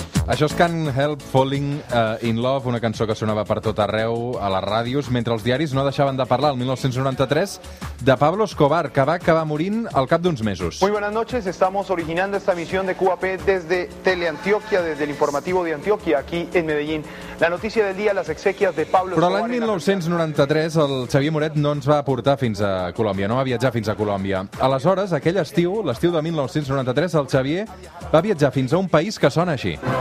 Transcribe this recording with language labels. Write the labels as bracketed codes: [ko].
[ca] Això és Can't Help Falling in Love, una cançó que sonava per tot arreu a les ràdios, mentre els diaris no deixaven de parlar, el 1993, de Pablo Escobar, que va acabar morint al cap d'uns mesos. [es] Muy buenas noches, estamos originando esta emisión de QAP desde Teleantioquia, desde el informativo de Antioquia, aquí en Medellín. La noticia del día, las exequias de Pablo Escobar... [ca] Però l'any 1993 el Xavier Moret no ens va portar fins a Colòmbia, no va viatjar fins a Colòmbia. Aleshores, aquell estiu, l'estiu de 1993, el Xavier va viatjar fins a un país que sona així.